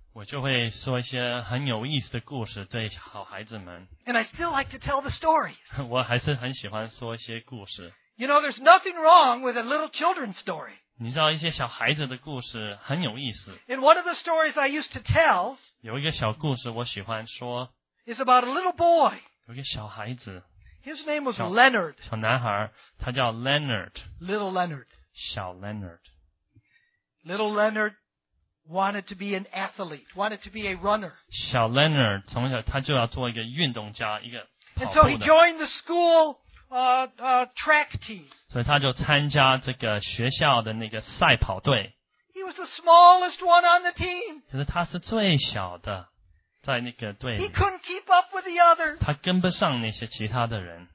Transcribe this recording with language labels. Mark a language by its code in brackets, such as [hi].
[zh] 我就会说一些很有意思的故事对好孩子们。 [en] And I still like to tell the stories. [zh] 我还是很喜欢说一些故事。 [en] You know, there's nothing wrong with a little children's story. [zh] 你知道一些小孩子的故事很有意思。 [en] In one of the stories I used to tell, [zh] 有一个小故事我喜欢说。 [en] Is about a little boy. [zh] 有一个小孩子。 [en] His name was Leonard. [zh] 小男孩，他叫 Leonard. [en] Little Leonard. [zh] 小 Leonard. [en] Little Leonard wanted to be an athlete, wanted to be a runner. [zh] 小 Leonard 从小他就要做一个运动家，一个跑步的。 [en] And so he joined the school. Track team. [zh] 所以他就参加这个学校的那个赛跑队。 [en] He was the smallest one on the team. [zh] 可是他是最小的，在那个队里。 [en] He couldn't keep up with the others. [zh] 他跟不上那些其他的人。